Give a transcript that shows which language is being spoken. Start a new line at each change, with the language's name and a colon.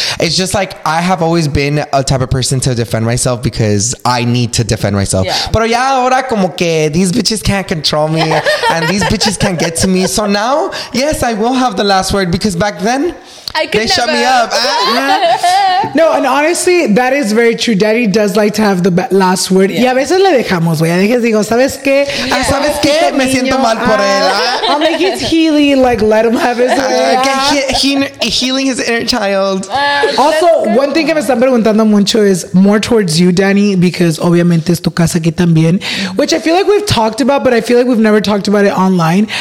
English: It's just like, I have always been a type of person to defend myself because I need to defend myself. Pero ya ahora como que these bitches can't control me and these bitches can't get to me. So now, yes, I will have the last word because back then, they shut me up. No, and honestly, that is very true. Daddy does like to have the last word.
Spanish: Yeah. Y a veces le dejamos, güey. A veces digo, ¿sabes qué? Yeah. ¿Sabes qué? Me siento mal por él.
English: I'm like, it's Healy. Like, let him have his way. Healing his inner child. Also, one thing que me están preguntando mucho is more towards you, Danny, because obviamente es tu casa aquí también, which I feel like we've talked about, but I feel like we've never talked about it online.